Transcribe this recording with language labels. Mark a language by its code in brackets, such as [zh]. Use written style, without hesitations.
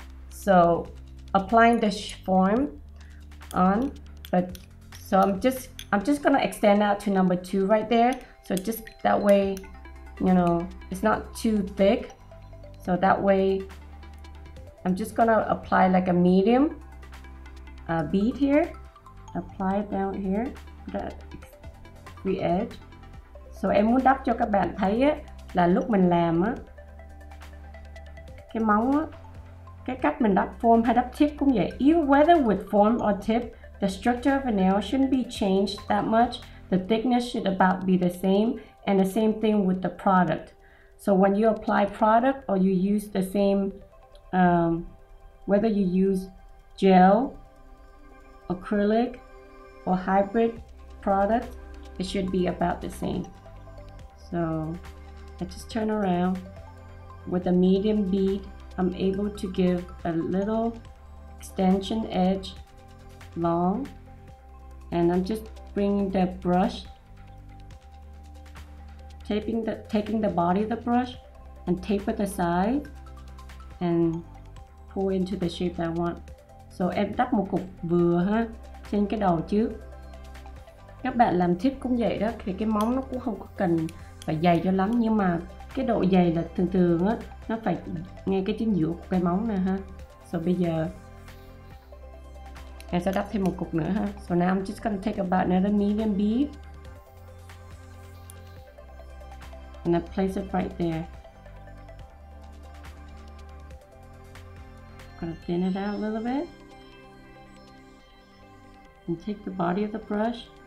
[en] So applying the form on, but so I'm just gonna extend out to number two right there, so just that way you know it's not too thick, so that way I'm just gonna apply like a medium bead here. Apply it down here, that free edge. [vi] So em muốn đắp cho các bạn thấy á, là lúc mình làm á, cái móng á, cái cách mình đắp form hay đắp tip cũng vậy. [en] Even whether with form or tip, the structure of a nail shouldn't be changed that much. The thickness should about be the same, and the same thing with the product. So when you apply product or you use the same, whether you use gel, acrylic or hybrid product, it should be about the same. So I just turn around with a medium bead. I'm able to give a little extension edge long, and I'm just bringing the brush, taking the body of the brush and taper the side and pull into the shape that I want. [vi] So em đắp một cục vừa ha trên cái đầu trước. Các bạn làm tip cũng vậy đó, thì cái móng nó cũng không có cần phải dày cho lắm, nhưng mà cái độ dày là thường thường á nó phải ngay cái chính giữa của cái móng nè ha. So bây giờ em sẽ đắp thêm một cục nữa ha. [en] So now I'm just gonna take about another medium bead and I place it right there. thin it out a little bit. And take the body of the brush.